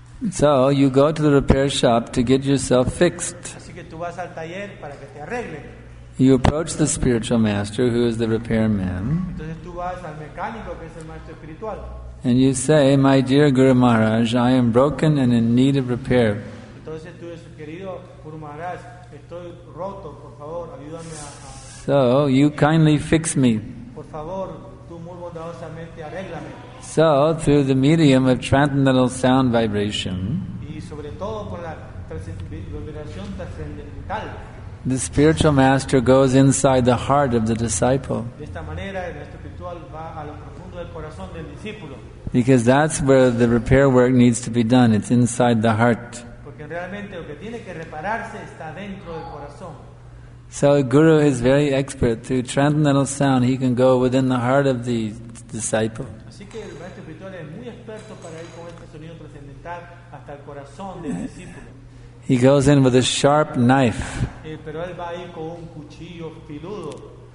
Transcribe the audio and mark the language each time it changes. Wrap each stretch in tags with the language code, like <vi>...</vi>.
<en>So you go to the repair shop to get yourself fixed.</en> <es>Así que tú vas al taller para que te arreglen.</es> <en>You approach the spiritual master, who is the repairman.</en> <es>Entonces tú vas al mecánico, que es el maestro espiritual.</es> <en>And you say, "My dear Guru Maharaj, I am broken and in need of repair."</en> <es>Entonces tú dices, querido Guru Maharaj, estoy roto, por favor, ayúdame a...</es> <en>So you kindly fix me.</en> <es>Por favor, tú muy bondadosamente arréglame.</es> <en>So through the medium of transcendental sound vibration,</en> <es>y sobre todo con la vibración trascendental,</es> <en>the spiritual master goes inside the heart of the disciple.</en> <es>De esta manera, el maestro espiritual va a lo profundo del corazón del discípulo.</es> <en>Because that's where the repair work needs to be done. It's inside the heart.</en> <es>Porque realmente lo que tiene que repararse está dentro del corazón.</es> <en>So a guru is very expert. Through transcendental sound, he can go within the heart of the disciple.</en> <es>Así que el maestro espiritual es muy experto para ir con este sonido trascendental hasta el corazón del discípulo.</es> <en>He goes in with a sharp knife.</en> <es>Pero él va a ir con un cuchillo filudo.</es>